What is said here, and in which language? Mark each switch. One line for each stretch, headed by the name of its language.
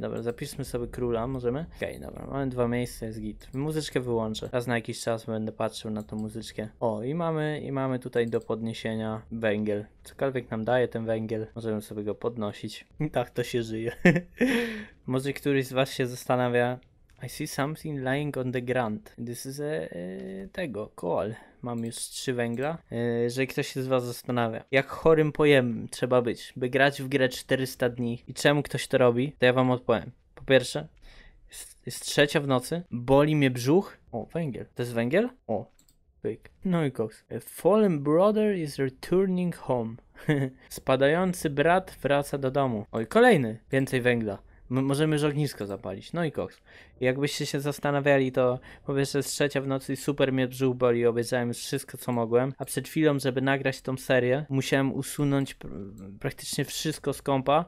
Polish: Dobra, zapiszmy sobie króla, możemy? Okej, dobra, mamy dwa miejsca, jest git. Muzyczkę wyłączę. Raz na jakiś czas będę patrzył na tą muzyczkę. O, i mamy tutaj do podniesienia węgiel. Cokolwiek nam daje ten węgiel, możemy sobie go podnosić. I tak to się żyje. Może któryś z was się zastanawia.
English: I see something lying on the ground. This is
Polish: tego, coal. Mam już 3 węgla. Jeżeli ktoś się z was zastanawia, jak chorym pojemnym trzeba być, by grać w grę 400 dni i czemu ktoś to robi, to ja wam odpowiem. Po pierwsze, jest trzecia w nocy, boli mnie brzuch. O, węgiel. To jest węgiel? O, pyk. No i koks.
English: A fallen brother is returning home.
Polish: Spadający brat wraca do domu. Oj, kolejny. Więcej węgla. Możemy już ognisko zapalić. No i koks. Jakbyście się zastanawiali, to po pierwsze jest trzecia w nocy i super mnie brzuch boli. Obejrzałem już wszystko, co mogłem. A przed chwilą, żeby nagrać tą serię, musiałem usunąć praktycznie wszystko z kompa.